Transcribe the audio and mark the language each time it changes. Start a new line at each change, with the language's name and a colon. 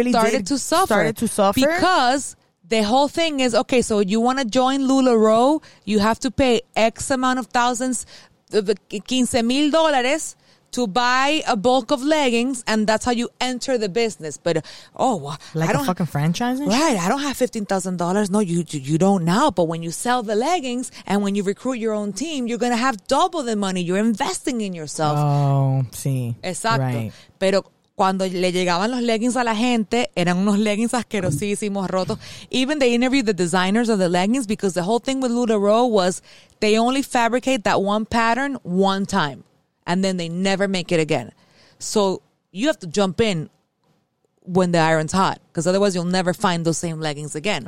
English: started to suffer because the whole thing is, okay, so you want to join LuLaRoe, you have to pay X amount of thousands, $15,000 to buy a bulk of leggings, and that's how you enter the business. But fucking franchise? Right, I don't have $15,000. No, you don't now, but when you sell the leggings and when you recruit your own team, you're going to have double the money. You're investing in yourself.
Spanish: Oh, sí. Exacto.
English: Right.
Spanish: Pero cuando le llegaban los leggings a la gente, eran unos leggings asquerosísimos, rotos.
English: Even they interviewed the designers of the leggings because the whole thing with LuLaRoe was they only fabricate that one pattern one time. And then they never make it again. So you have to jump in when the iron's hot because otherwise you'll never find those same leggings again.